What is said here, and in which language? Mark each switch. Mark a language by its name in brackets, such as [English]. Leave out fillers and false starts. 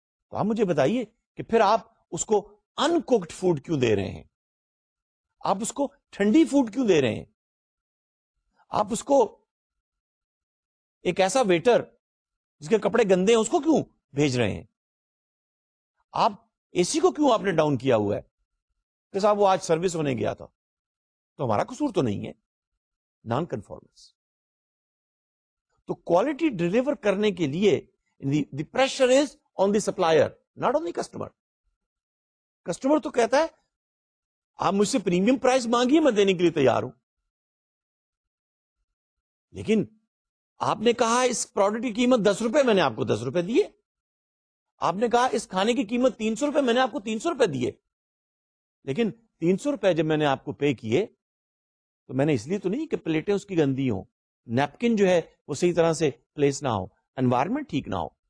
[Urdu] تو آپ مجھے بتائیے کہ پھر آپ اس کو انکوکڈ فوڈ کیوں دے رہے ہیں, آپ اس کو ٹھنڈی فوڈ کیوں دے رہے ہیں, آپ اس کو ایک ایسا ویٹر جس کے کپڑے گندے ہیں اس کو کیوں بھیج رہے ہیں, آپ اے سی کو کیوں آپ نے ڈاؤن کیا ہوا ہے, کہ صاحب وہ آج سروس ہونے گیا تھا, تو ہمارا قصور تو نہیں ہے. [English] non conformance, [Urdu] تو کوالٹی ڈلیور کرنے کے لیے [English] The pressure is on the supplier, not on the customer. [Urdu] Customer تو کہتا ہے آپ مجھ سے پریمیم پرائز مانگیے, میں دینے کے لیے تیار ہوں, لیکن آپ نے کہا اس پروڈکٹ کی قیمت 10 روپے, میں نے آپ کو 10 روپے دیے. آپ نے کہا اس کھانے کی قیمت 300 روپے, میں نے آپ کو 300 روپے دیے, لیکن 300 روپے جب میں نے آپ کو پے کیے تو میں نے اس لیے تو نہیں کہ پلیٹیں اس کی گندی ہوں, نیپکن جو ہے وہ صحیح طرح سے پلیس نہ ہو, انوائرمنٹ ٹھیک نہ ہو.